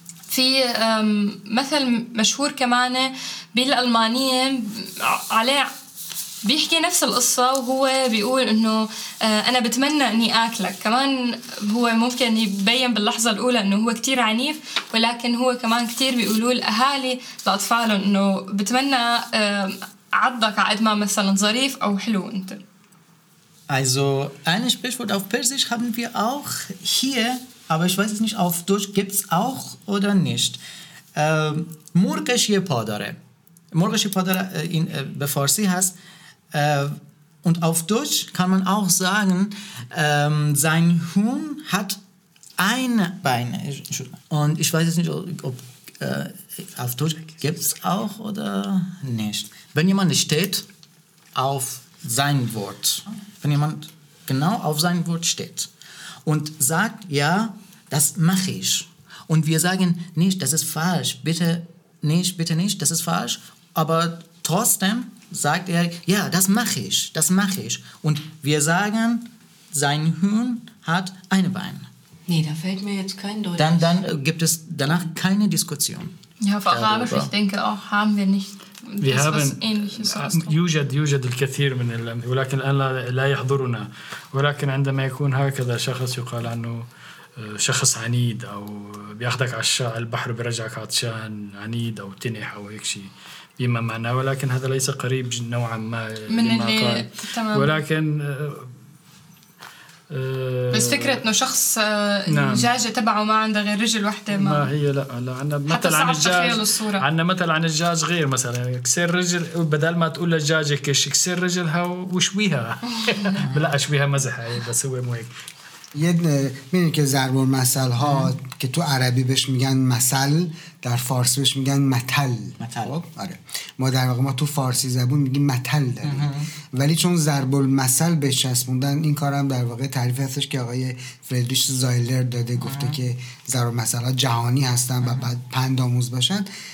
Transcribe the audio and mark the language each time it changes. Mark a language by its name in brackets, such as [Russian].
[Arabic] في مثل مشهور كمان بالألمانية عليه بيحكي نفس القصة، وهو بيقول إنه أنا بتمنى إني آكلك، كمان هو ممكن يبين باللحظة الأولى إنه هو كتير عنيف، ولكن هو كمان كتير بيقولوا الأهالي لأطفالهم إنه بتمنى عضك على قد ما مثلا ظريف أو حلو أنت. [German] Also ein Sprichwort auf Persisch haben wir auch hier. Aber ich weiß es nicht, auf Deutsch gibt es auch oder nicht. [Persian] Murgesh je padare. Murgesh je padare [German] in Farsi heißt. Und auf Deutsch kann man auch sagen, sein Huhn hat ein Bein. Und ich weiß es nicht, ob auf Deutsch gibt es auch oder nicht. Wenn jemand steht auf sein Wort, wenn jemand genau auf sein Wort steht und sagt, ja, das mache ich. Und wir sagen nicht, das ist falsch, bitte nicht, das ist falsch. Aber trotzdem sagt er, ja, das mache ich, das mache ich. Und wir sagen, sein Huhn hat ein Bein. Nee, da fällt mir jetzt kein Deutsch. Dann gibt es danach keine Diskussion. Ja, auf Arabisch, darüber. Ich denke auch, haben wir nicht. Wir haben [Arabic] يوجد الكثير من الأمثلة، ولكن الآن لا يحضرنا. ولكن عندما يكون هكذا شخص يقال عنه شخص عنيد أو بيأخذك على البحر برجعك عطشان، عنيد أو تنح أو هيك شيء بما معناه، ولكن هذا ليس قريب نوعا ما من اللي ولكن بس فكرة إنه شخص دجاجة تبعه ما عنده غير رجل واحدة ما هي لا عنا مثل عن الدجاج، عنا مثل عن الدجاج غير، مثلا كسر رجل بدل ما تقول للدجاجة كش كسر رجلها وشويها بلا أشويها مزحة بس هو مو هيك. [Persian] یه میدونی که ضرب المثل ها که تو عربی بهش میگن مثل، در فارسی بهش میگن متل. آره، ما در واقع ما تو فارسی زبون میگیم متل داریم، ولی چون ضرب المثل به چسبوندن این کارم در واقع تعریف هستش که آقای فریدریش زایلر داده، گفته که ضرب المثل ها جهانی هستن و بعد پند آموز باشن.